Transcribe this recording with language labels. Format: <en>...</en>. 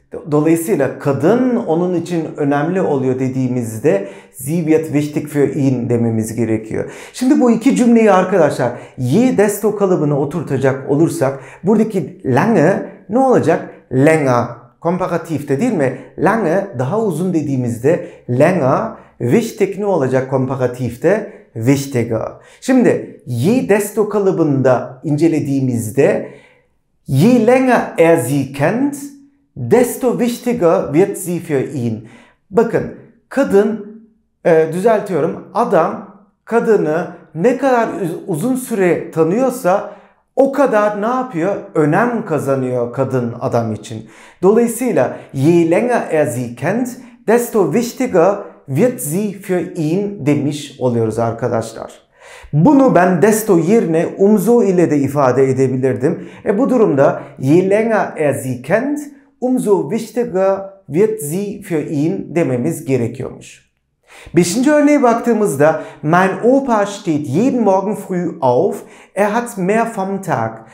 <tr>Dolayısıyla kadın onun için önemli oluyor dediğimizde</tr> <de>sie wird wichtig für ihn</de> <tr>dememiz gerekiyor. Şimdi bu iki cümleyi arkadaşlar je desto kalıbına oturtacak olursak buradaki lange ne olacak? Länger, komparatif de değil mi? Lange daha uzun dediğimizde länger, wichtig ne olacak komparatif de?</tr> <de>Wichtiger.</de> <tr>Şimdi je desto kalıbında incelediğimizde</tr> <de>je länger er sie kennt, desto wichtiger wird sie für ihn.</de> <tr>Bakın, kadın, düzeltiyorum, adam kadını ne kadar uzun süre tanıyorsa o kadar ne yapıyor? Önem kazanıyor kadın adam için. Dolayısıyla,</tr> <de>je länger er sie kennt, desto wichtiger wird sie für ihn</de> <tr>demiş oluyoruz arkadaşlar. Bunu ben desto yerine umso ile de ifade edebilirdim. Bu durumda,</tr> <de>je länger er sie kennt, umso wichtiger wird sie für ihn</de> <tr>dememiz gerekiyormuş. Beşinci örneğe baktığımızda</tr> <de>mein Opa steht jeden Morgen früh auf, er hat mehr vom Tag.</de>